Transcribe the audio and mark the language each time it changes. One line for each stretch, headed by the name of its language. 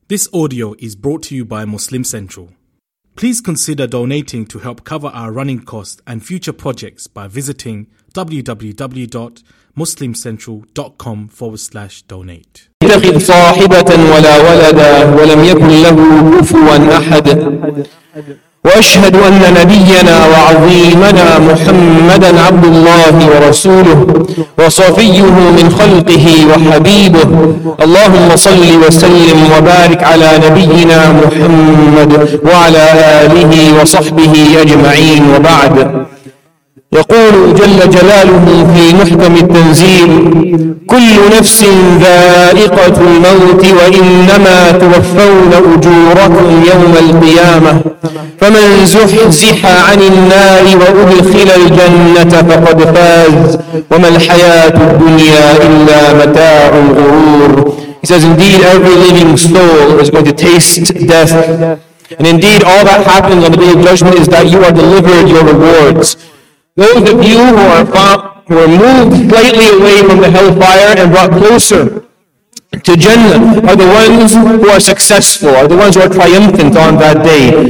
English: This audio is brought to you by Muslim Central. Please consider donating to help cover our running costs and future projects by visiting www.muslimcentral.com/donate.
Arabic: اتخذ صاحبة ولا ولدا ولم يكن له كفوا أحد وأشهد أن نبينا وعظيمنا محمدا عبد الله ورسوله وصفيه من خلقه وحبيبه اللهم صل وسلم وبارك على نبينا محمد وعلى آله وصحبه أجمعين وبعد يقول جل جلاله في محكم التنزيل كل نفس ذائقة الموت وإنما توفون أجوركم يوم القيامة فمن زحزح عن النار وأدخل الجنة فقد فاز وما الحياة الدنيا إلا متاع الغرور.
English: He says, indeed every living soul is going to taste death, and indeed all that happens on the day of judgment is that you are delivered your rewards. Those of you who are were moved slightly away from the hellfire and brought closer to Jannah are the ones who are successful, are the ones who are triumphant on that day.